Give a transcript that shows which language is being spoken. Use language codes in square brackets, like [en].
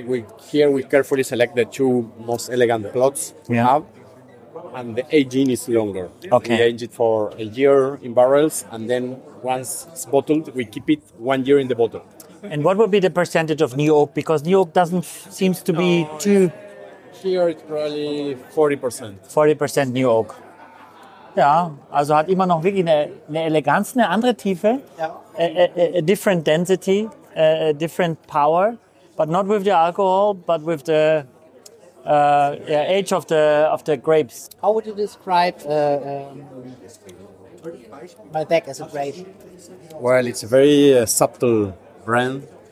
[en] We carefully select the two most elegant plots we have. And the aging is longer. Okay. We age it for a year in barrels, and then once it's bottled, we keep it 1 year in the bottle. And what would be the percentage of new oak? Because new oak doesn't seem to be too... Here it's probably 40%. 40% new oak. [de] Ja, also hat immer noch wirklich eine Eleganz, eine andere Tiefe. Ja. [en] A different density, a different power, but not with the alcohol, but with the... age of the grapes. How would you describe Malbec as a grape? Well, it's a very subtle brand.